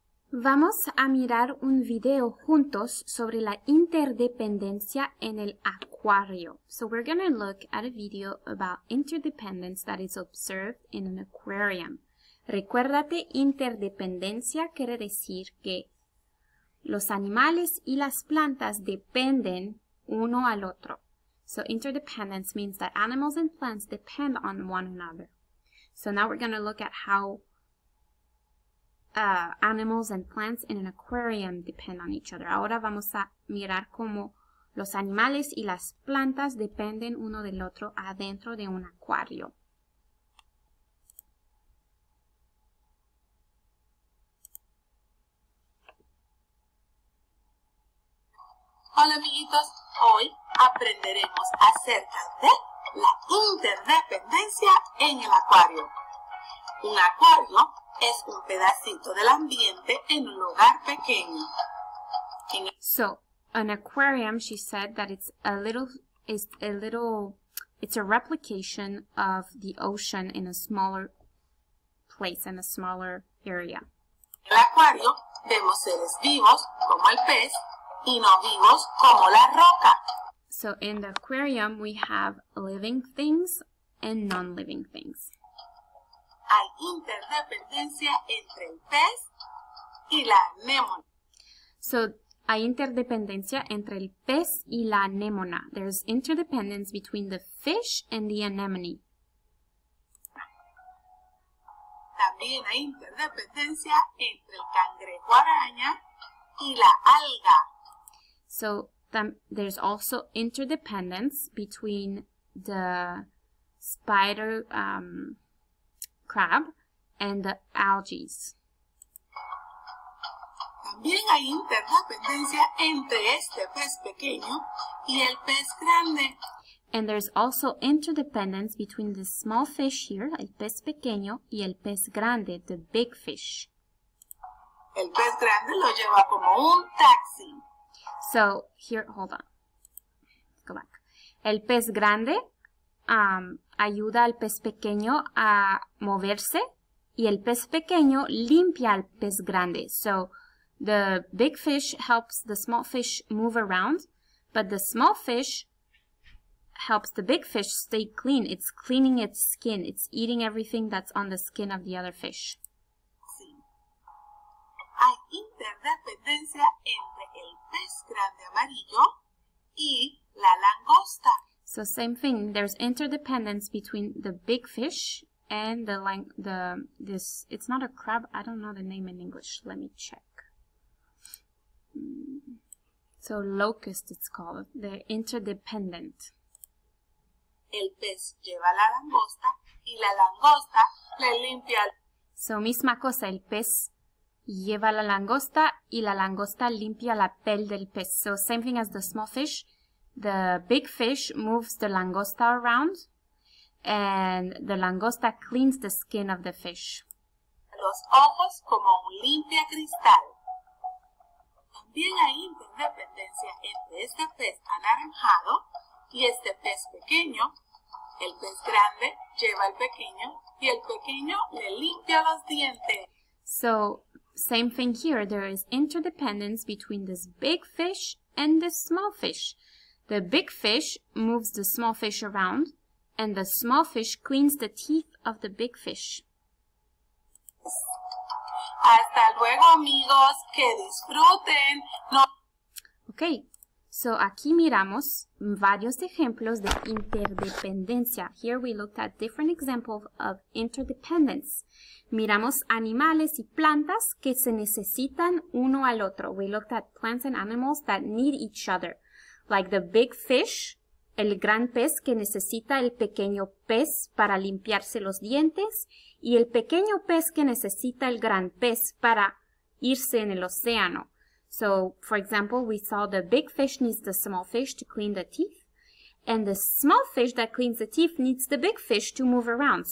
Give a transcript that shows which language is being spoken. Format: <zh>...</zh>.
<es>Vamos a mirar un video juntos sobre la interdependencia en el acuario.</es> <en>So we're going to look at a video about interdependence that is observed in an aquarium.</en> <es>Recuérdate, interdependencia quiere decir que los animales y las plantas dependen uno al otro.</es> <en>So interdependence means that animals and plants depend on one another. So now we're going to look at how animals and plants in an aquarium depend on each other.</en> <es>Ahora vamos a mirar cómo los animales y las plantas dependen uno del otro adentro de un acuario. Hola amiguitos, hoy aprenderemos acerca de la interdependencia en el acuario. Un acuario es un pedacito del ambiente en un lugar pequeño.</es> <en>So, an aquarium, she said that it's a replication of the ocean in a smaller place, in a smaller area.</en> <es>En el acuario vemos seres vivos como el pez, y no vivos como la roca.</es> <en>So in the aquarium, we have living things and non-living things.</en> <es>Hay interdependencia entre el pez y la anémona. So hay interdependencia entre el pez y la anémona.</es> <en>There's interdependence between the fish and the anemone.</en> <es>También hay interdependencia entre el cangrejo araña y la alga.</es> <en>So there's also interdependence between the spider crab and the algae.</en> <es>También hay interdependencia entre este pez pequeño y el pez grande.</es> <en>And there's also interdependence between the small fish here,</en> <es>el pez pequeño, y el pez grande,</es> <en>the big fish.</en> <es>El pez grande lo lleva como un taxi.</es> <en>So, here, hold on. Let's go back.</en> <es>El pez grande ayuda al pez pequeño a moverse, y el pez pequeño limpia al pez grande.</es> <en>So, the big fish helps the small fish move around, but the small fish helps the big fish stay clean. It's cleaning its skin. It's eating everything that's on the skin of the other fish.</en> <es>Hay interdependencia entre el pez grande amarillo y la langosta.</es> <en>So same thing, there's interdependence between the big fish and this, it's not a crab, I don't know the name in English, let me check. So locust it's called, they're interdependent.</en> <es>El pez lleva la langosta y la langosta le limpia. So misma cosa, el pez lleva la langosta y la langosta limpia la piel del pez.</es> <en>So same thing as the small fish, the big fish moves the langosta around and the langosta cleans the skin of the fish.</en> <es>Los ojos como un limpia cristal. También hay interdependencia entre este pez anaranjado y este pez pequeño. El pez grande lleva al pequeño y el pequeño le limpia los dientes.</es> <en>So same thing here, there is interdependence between this big fish and this small fish. The big fish moves the small fish around, and the small fish cleans the teeth of the big fish.</en> <es>Hasta luego, amigos. Que disfruten. No. Okay, so aquí miramos varios ejemplos de interdependencia.</es> <en>Here we looked at different examples of interdependence.</en> <es>Miramos animales y plantas que se necesitan uno al otro.</es> <en>We looked at plants and animals that need each other. Like the big fish,</en> <es>el gran pez que necesita el pequeño pez para limpiarse los dientes, y el pequeño pez que necesita el gran pez para irse en el océano.</es> <en>So, for example, we saw the big fish needs the small fish to clean the teeth, and the small fish that cleans the teeth needs the big fish to move around.</en>